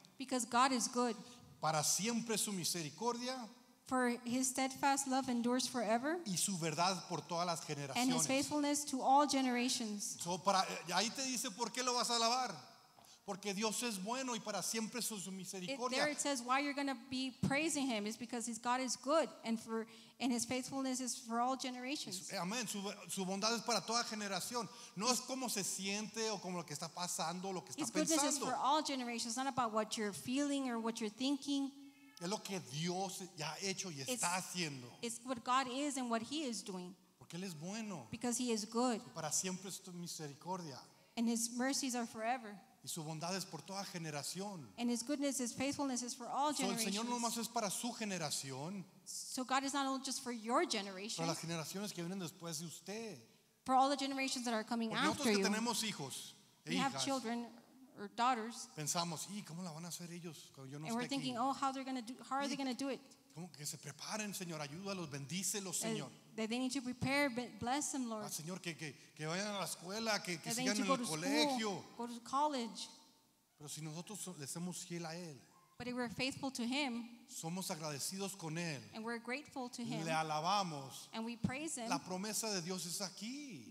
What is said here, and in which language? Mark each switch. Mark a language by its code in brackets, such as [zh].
[en] Because God is good. [es] Para siempre su misericordia. [en] For his steadfast love endures forever. [es] Y su verdad por todas las generaciones. [en] And his faithfulness to all generations. [es] So para, ahí te dice por qué lo vas a alabar. Porque Dios es bueno y para siempre es su misericordia. [en] There it says why you're going to be praising him is because his God is good and for and his faithfulness is for all generations. [es] Amén. Su bondad es para toda generación. No es como se siente o como lo que está pasando, lo que está pensando. [en] His goodness is for all generations, not about what you're feeling or what you're thinking. [es] Es lo que Dios ya ha hecho y está haciendo. [en] It's what God is and what he is doing. [es] Porque él es bueno. [en] Because he is good. [es] Y para siempre es su misericordia. [en] And his mercies are forever. [es] Y su bondad es por toda generación. [en] And his goodness, his faithfulness is for all generations. [es] So el Señor no más es para su generación. [en] So God is not only just for your generation. [es] Para las generaciones que vienen después de usted. [en] For all the generations that are coming [es] Porque [en] after you. [es] Nosotros que tenemos hijos e hijas. [en] We have children or daughters. [es] Pensamos, ¿y cómo la van a hacer ellos cuando yo no esté aquí? [en] And we're thinking, oh, how they're going to do? How are they going to do it? [es] Como que se preparen, Señor, ayúdalos, bendícelos, Señor. [en] That they need to prepare, but bless them, Lord. [es] Ah, Señor, que vayan a la escuela, que sigan en el colegio. [en] Go to college. [es] Pero si nosotros le somos fiel a él. [en] But if we're faithful to him. [es] Somos agradecidos con él. [en] And we're grateful to him. [es] Le alabamos. [en] And we praise him. [es] La promesa de Dios es aquí.